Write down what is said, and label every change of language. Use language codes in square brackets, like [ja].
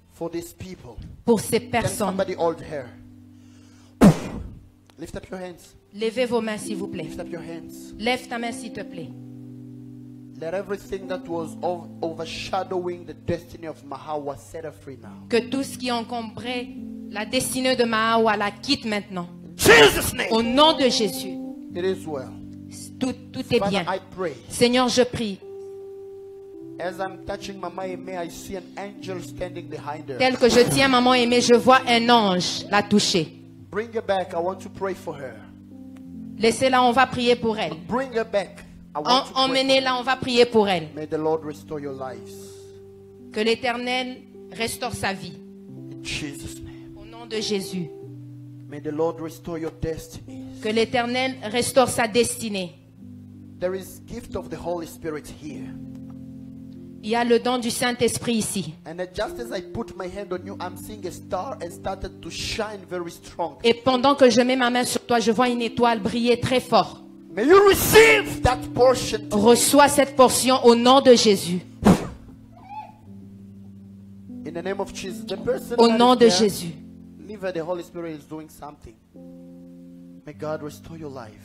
[en] For these people. [fr] Pour ces personnes. [en] Can somebody hold her? Lift up your hands. [fr] Levez vos mains, s'il vous plaît. [en] Lift up your hands. [fr] Lève ta main, s'il te plaît. [en] Let everything that was overshadowing the destiny of Mahawa set her free now. [fr] Que tout ce qui encombrait la destinée de Mahawa la quitte maintenant. [en] Jesus name. [fr] Au nom de Jésus. [en] It is well. [fr] Tout est bien. [en] I pray. [fr] Seigneur, je prie. [en] As I'm touching Mama Aimee, I see an angel standing behind her. [fr] Tel que je tiens Maman Aimée, je vois un ange la toucher. [en] Bring her back. I want to pray for her. [fr] Laissez-la, on va prier pour elle. [en] Bring her back. [fr] Emmenez-la, on va prier pour elle. [en] May the Lord restore your lives. [fr] Que l'Éternel restaure sa vie. [en] In Jesus name. [fr] Au nom de Jésus. [en] May the Lord restore your destiny. [fr] Que l'Éternel restaure sa destinée. [en] There is gift of the Holy Spirit here. [fr] Il y a le don du Saint-Esprit ici. [en] And just as I put my hand on you, I'm seeing a star and started to shine very strong. [fr] Et pendant que je mets ma main sur toi, je vois une étoile briller très fort. [en] May you receive that portion. [fr] Reçois cette portion au nom de Jésus. [en] In the name of Jesus, the person [fr] au nom de Jésus. [en] Live, the Holy Spirit is doing something. May God restore your life.